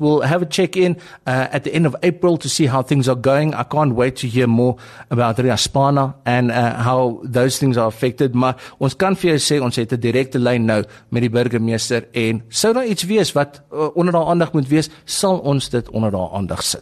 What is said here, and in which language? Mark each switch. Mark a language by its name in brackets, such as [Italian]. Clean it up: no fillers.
[English] We'll have a check-in at the end of April to see how things are going. I can't wait to hear more about Ria Spana and how those things are affected. [Afrikaans] Maar ons kan vir jou sê, ons het 'n directe lyn nou met die burgemeester. En sou daar iets wees wat onder haar aandag moet wees, sal ons dit onder haar aandag sit.